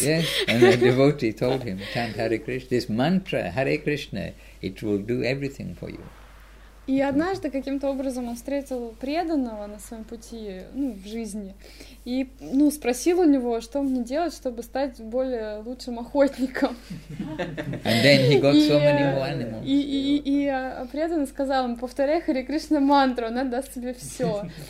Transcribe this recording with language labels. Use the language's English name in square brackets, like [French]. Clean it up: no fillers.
[English] Yes, and the devotee told him, chant Hare Krishna. This mantra, Hare Krishna, it will do everything for you. [Russian] И однажды каким-то образом он встретил преданного на своем пути, ну, в жизни, и, ну, спросил у него, что мне делать, чтобы стать более лучшим охотником. [English] And then he got so many more animals. [Russian] И преданный сказал ему, повторяй Хари Кришна мантру, она даст тебе все.